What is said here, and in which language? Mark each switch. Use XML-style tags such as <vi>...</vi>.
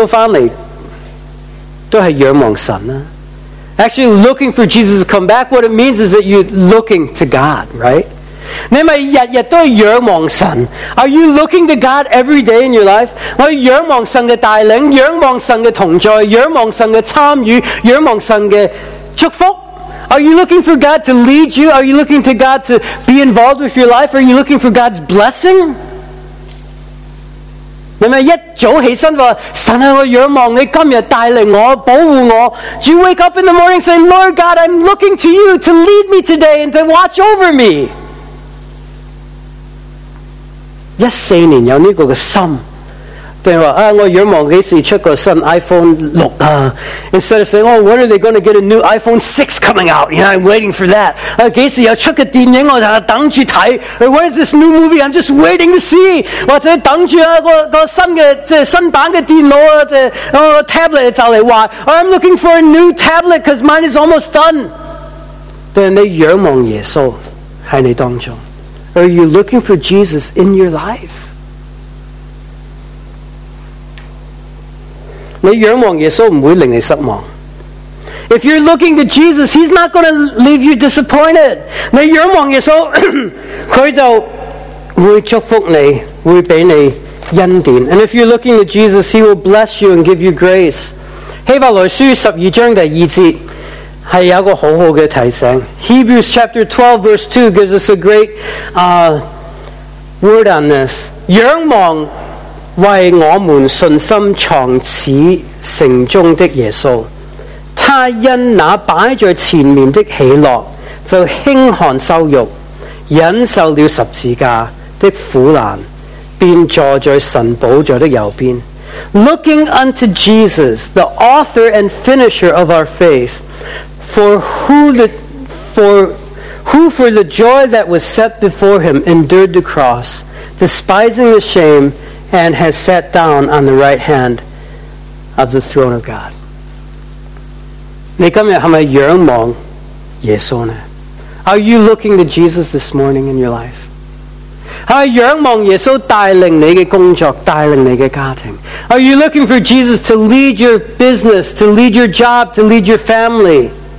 <zh>其实仰望耶稣回来都是仰望神啊。</zh> <en>Actually, looking for Jesus to come back, what it means is that you're looking to God, right?</en> <zh>你咪日日都仰望神?</zh> <en>Are you looking to God every day in your life?</en> <zh>我仰望神的带领, 仰望神的同在, 仰望神的参与, 仰望神的 祝福?</zh> <en>Are you looking for God to lead you? Are you looking to God to be involved with your life? Are you looking for God's blessing?</en> <zh>你咪一早起身话，神啊，我仰望你今日带领我，保护我。</zh> <en>Do you wake up in the morning and say, Lord God, I'm looking to you to lead me today and to watch over me?</en> <zh>14年有呢个嘅心。对吧，我仰望几时出个新 iPhone 6啊，</zh> <en>instead of saying, oh, when are they going to get a new iPhone 6 coming out? You know, I'm waiting for that.</en> <zh>几时又出个电影，我等住睇。</zh> <en>Or when is this new movie? I'm just waiting to see.</en> <zh>或者等住个新版嘅电脑啊，tablet 就嚟坏。</zh> <en>Or I'm looking for a new tablet because mine is almost done.</en> <zh>但你仰望耶稣喺你当中。</zh> <en>Are you looking for Jesus in your life?</en> <zh>你仰望耶稣唔会令你失望.</zh> <en>If you're looking to Jesus, He's not going to leave you disappointed.</en> <zh>你仰望耶稣，佢就会祝福你，会俾你恩典.</zh> <en>And if you're looking to Jesus, He will bless you and give you grace.</en> <zh>希伯来书十二章第二节系有一个好好嘅提醒.</zh> <en>Hebrews chapter 12 verse 2 gives us a great word on this.</en> <zh>仰望 为我们信心创始成终的耶稣，他因那摆在前面的喜乐，就轻看羞辱，忍受了十字架的苦难，便坐在神宝座的右边.</zh> <en>Looking unto Jesus, the author and finisher of our faith, for the joy that was set before him endured the cross, despising the shame, and has sat down on the right hand of the throne of God.</en> <zh>你今天是否仰望耶稣呢?</zh> <en>Are you looking to Jesus this morning in your life?</en> <zh>是否仰望耶稣带领你的工作，带领你的家庭?</zh> <en>Are you looking for Jesus to lead your business, to lead your job, to lead your family?</en>